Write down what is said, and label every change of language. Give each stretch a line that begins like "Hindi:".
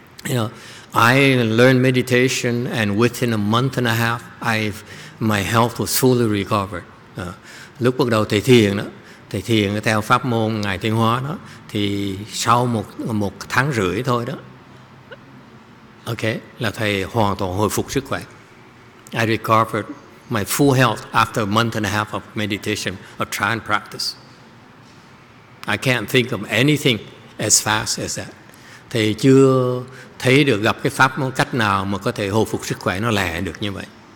English: You know, I learned meditation and within a month and a half, my health was fully recovered.
Vietnamese: Lúc bắt đầu thầy thiền theo pháp môn Ngài Tiến Hóa đó, thì sau một tháng rưỡi thôi đó, okay, là thầy hoàn toàn hồi phục sức khỏe.
English: I recovered my full health after a month and a half of meditation, of Chan practice. I can't think of anything as fast as that.
Vietnamese: Thầy chưa thấy được gặp cái pháp một cách nào mà có thể hồi phục sức khỏe nó lẹ được như vậy.